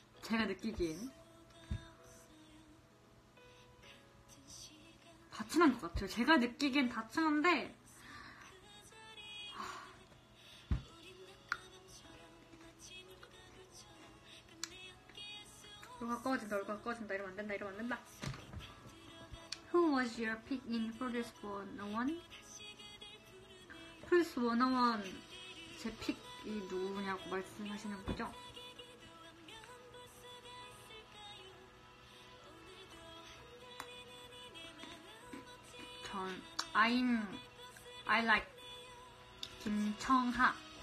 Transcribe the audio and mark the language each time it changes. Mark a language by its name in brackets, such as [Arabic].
[Korean] 제가 느끼기엔 다 친한 것 같아요. 제가 느끼기엔 다 친한데. 너 가까워진다, 너 가까워진다, 이러면 안 된다, 이러면 안 된다. [English] Who was your pick in Produce 101? [Korean] Produce 101 제 픽이 누구냐고 말씀하시는 거죠? 전 [English] I like [Korean] 김청하.